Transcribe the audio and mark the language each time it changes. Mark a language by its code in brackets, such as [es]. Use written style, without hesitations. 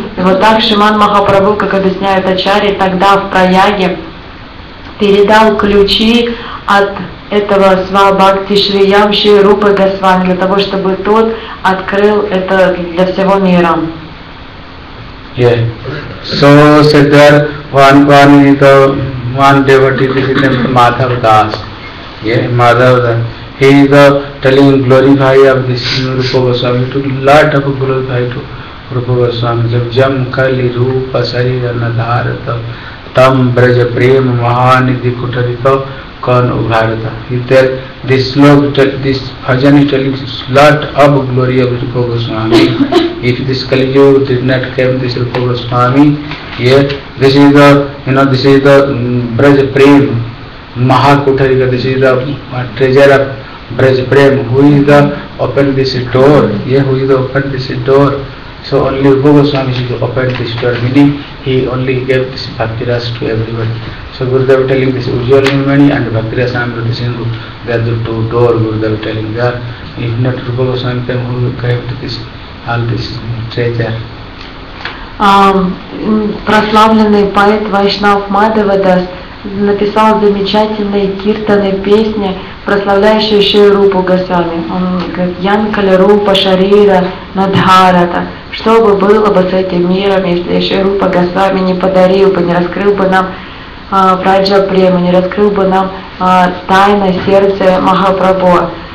[ru] И вот так Шриман Махапрабху, как объясняет Ачарьи, тогда в Праяге передал ключи от этого Свабхакти Шри Ям Шри Рупы Госвами для того, чтобы тот открыл это для всего мира. [en] Yeah. So said there one devotee, this is named Madhav Das. Yeah, Madhav Das. He is telling glorify of this Rupa Goswami to lot of glorify to Rupa Goswami. [bra] Jab jam kali rupa sarira nadharata tam braja prema mahanidhi kutarita Kan Ubharata. [en] This bhajan is telling lot of glory of Rupa Goswami. If this Kali Yuga did not come, this Rupa Goswami, yet this is the Braj Prem Mahakutarika, this is the treasure of Braj Prem. Who is the open this door? Yeah, who is the open this door? So only Rupa Goswami is the open this door, meaning he only gave this Bhakti Rasa to everybody. So Gurudev telling this Ujjwala Nirmani and Bhakti Rasa Amrita Sindhu, they are the two doors Gurudev telling that. If not Rupa Goswami came, who will give to this, all this treasure? [ru] Прославленный поэт Вайшнав Мадавадас написал замечательные киртаны песни, прославляющие Шри Рупу Госвами. Он говорит, Янкали Рупа Шарира Надхарата. Что бы было бы с этим миром, если Шри Рупа Госвами не подарил бы, не раскрыл бы нам Праджа Прему, не раскрыл бы нам тайное сердце Махапрабху.